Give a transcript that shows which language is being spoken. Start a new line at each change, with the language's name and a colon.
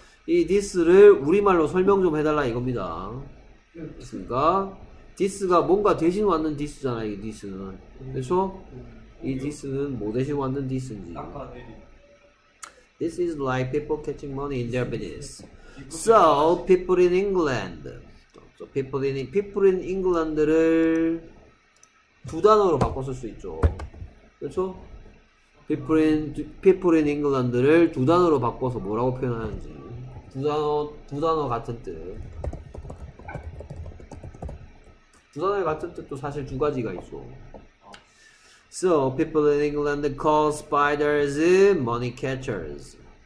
Korean: 이 this를 우리말로 설명 좀 해달라 이겁니다. 됐습니까? 디스가 뭔가 대신 왔는 디스잖아. 이 디스는 그렇죠? 이 디스는 뭐 대신 왔는 디스인지.
English: This is like people catching money in their business. So people in England.
Korean: So people in England를 두 단어로 바꿔 쓸 수 있죠. 그렇죠?
English: People in England
Korean: 를 두 단어로 바꿔서 뭐라고 표현하는지. 두 단어 같은 뜻. 두 단어의 같은 뜻도 사실 두 가지가 있어.
English: So people in England call spiders money catchers.